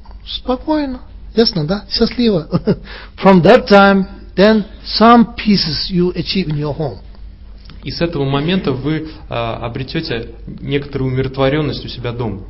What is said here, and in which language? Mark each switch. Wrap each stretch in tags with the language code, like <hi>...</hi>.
<ru>Спокойно. Ясно, да? Счастливо.</ru> <en>From that time, then some pieces you achieve in your home.</en> <ru>И с этого момента вы обретете некоторую умиротворенность у себя дома.</ru>